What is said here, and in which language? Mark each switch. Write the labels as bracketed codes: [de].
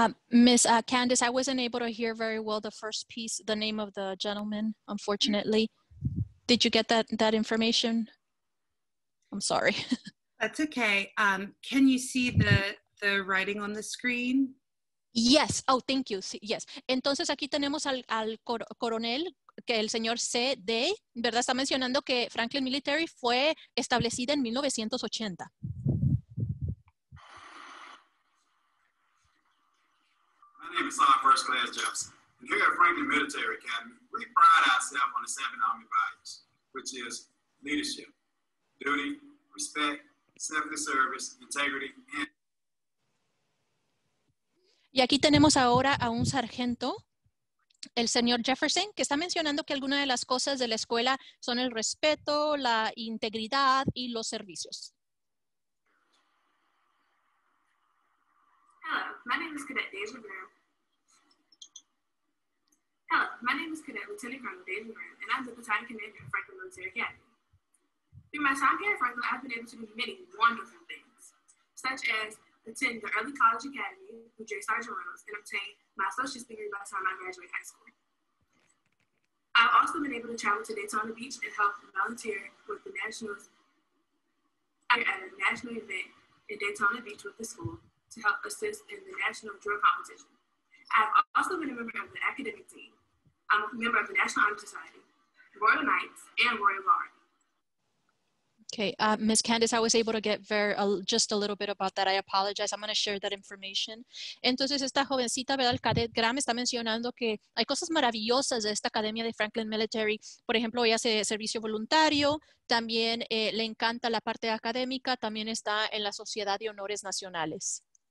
[en] Miss Candace, I wasn't able to hear very well the first piece, the name of the gentleman, unfortunately. Did you get that information? I'm sorry. That's okay. Can you see the writing on the screen? Yes. Oh, thank you. Yes. [es] Entonces, aquí tenemos al coronel, que el señor C. Day, ¿verdad? Está mencionando que Franklin Military fue establecida en 1980. [en] My name is Sergeant First Class Jefferson. Here at Franklin Military Academy, we pride ourselves on the seven Army values, which is leadership, duty, respect, selfless service, integrity, and... Y aquí tenemos ahora a un sargento, el señor Jefferson, que está mencionando que algunas de las cosas de la escuela son el respeto, la integridad y los servicios. Hello, my name is Cadet Deja Brown. And I'm the battalion commander of Franklin Military Academy. Through my time here at Franklin, I've been able to do many wonderful things, such as attend the Early College Academy with J. Sergeant Reynolds and obtain my associate's degree by the time I graduate high school. I've also been able to travel to Daytona Beach and help volunteer with the Nationals at a national event in Daytona Beach with the school to help assist in the national drill competition. I've also been a member of the academic team. I'm a member of the National Honor Society, Royal Knights, and Royal Guard. Okay, Ms. Candace, I was able to get just a little bit about that. I apologize. I'm going to share that information. [es] Entonces, esta jovencita, ¿verdad? El cadet Graham está mencionando que hay cosas maravillosas de esta academia de Franklin Military. Por ejemplo, ella hace servicio voluntario. También le encanta la parte académica. También está en la Sociedad de Honores Nacionales.